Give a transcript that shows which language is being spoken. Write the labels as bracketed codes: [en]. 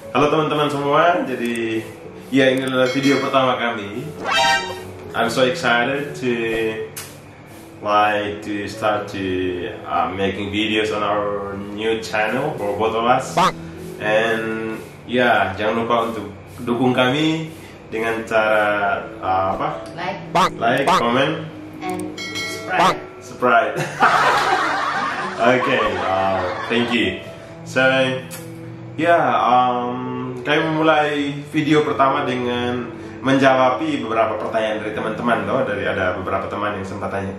[id] Halo teman-teman semua, jadi ya ini adalah video pertama kami. [en] I'm so excited to like to start to making videos on our new channel for both of us. And yeah, [id] jangan lupa untuk dukung kami dengan cara apa? [en] Like, comment, and subscribe. Okay, thank you. [id] So yeah, kami memulai video pertama dengan menjawab beberapa pertanyaan dari teman-teman loh, dari ada beberapa teman yang sempat tanya.